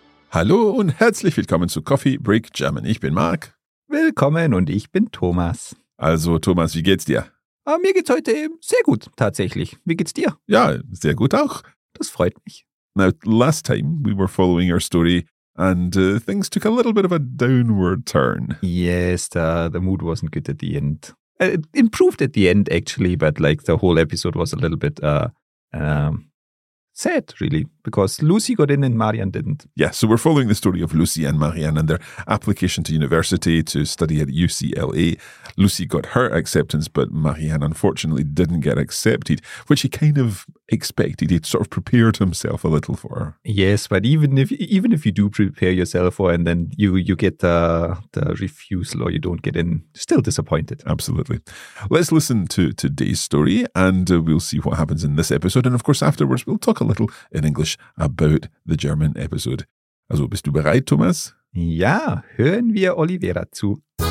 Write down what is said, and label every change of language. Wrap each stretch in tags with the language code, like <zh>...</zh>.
<de>Hallo und herzlich willkommen zu Coffee Break German. Ich bin Marc. Willkommen und ich bin Thomas. Also Thomas, wie geht's dir? Mir geht's heute sehr gut, tatsächlich. Wie geht's dir? Ja, sehr gut auch. Das freut mich.</de> <en>Now, last time we were following your story and things took a little bit of a downward turn. Yes, the mood wasn't good at the end. It improved at the end, actually, but like the whole episode was a little bit sad, really, because Lucy got in and Marianne didn't. Yeah, so we're following the story of Lucy and Marianne and their application to university to study at UCLA. Lucy got her acceptance, but Marianne unfortunately didn't get accepted, which he kind of expected. He'd sort of prepared himself a little for her. Yes, but even if you do prepare yourself for and then you get the refusal or you don't get in, still disappointed. Absolutely. Let's listen to today's story and we'll see what happens in this episode. And of course, afterwards, we'll talk a little in English about the German episode.</en> <de>Also, bist du bereit, Thomas? Ja, hören wir Oliveira zu.</de>